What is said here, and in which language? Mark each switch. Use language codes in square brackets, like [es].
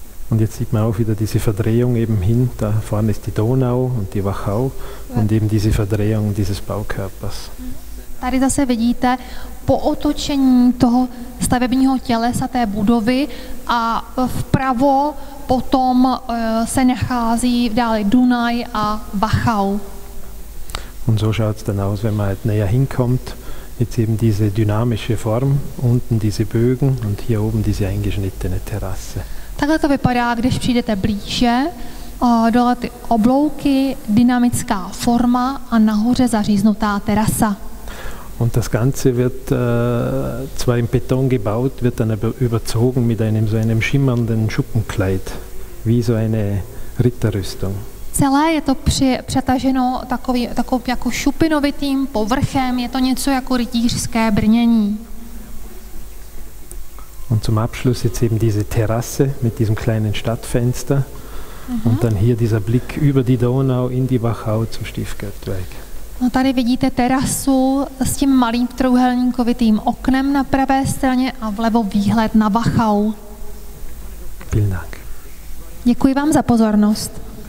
[de] Und jetzt sieht man auch wieder diese Verdrehung eben hin, da vorne ist die Donau und die Wachau und eben diese Verdrehung dieses Baukörpers. [cs] Tady zase vidíte po otočení toho stavebního tělesa té budovy a vpravo potom se nachází dále Dunaj a Wachau. [de] Und so schaut es dann aus, wenn man halt näher hinkommt, jetzt eben diese dynamische Form, unten diese Bögen und hier oben diese eingeschnittene Terrasse. [cs] Takhle to vypadá, když přijdete blíže, dole ty oblouky, dynamická forma a nahoře zaříznutá terasa. [de] Und das Ganze wird zwar im Beton gebaut, wird dann aber überzogen mit einem so einem schimmernden Schuppenkleid, wie so eine Ritterrüstung. [cs] Celé je to přetaženo takovým jako šupinovitým povrchem, je to něco jako rytířské brnění. [de] Und zum Abschluss jetzt eben diese Terrasse mit diesem kleinen Stadtfenster und dann hier dieser Blick über die Donau in die Wachau zum Stiftgärtweg. [cs] No, tady vidíte terasu s tím malým trojúhelníkovitým oknem na pravé straně a vlevo výhled na Wachau. [de] Vielen Dank. [cs] Děkuji vám za pozornost.